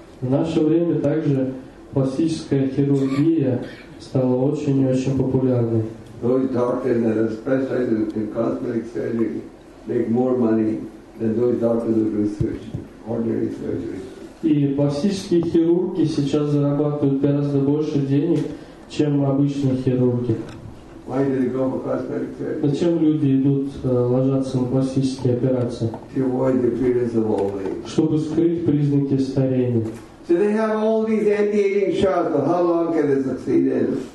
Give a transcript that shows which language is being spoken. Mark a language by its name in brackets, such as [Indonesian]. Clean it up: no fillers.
[Russian] В наше время также пластическая хирургия стала очень и очень популярной. [English] Those doctors that are specialized in cosmetic surgery make more money than those doctors who do ordinary surgery. [Russian] И пластические хирурги сейчас зарабатывают гораздо больше денег, чем обычные хирурги. [English] Why do they go for cosmetic surgery? [Russian] Зачем люди идут ложатся на пластические операции? [English] To avoid the appearance of old age. [Russian] Чтобы скрыть признаки старения. [English] So they have all these anti-aging shots, but how long can they succeed in?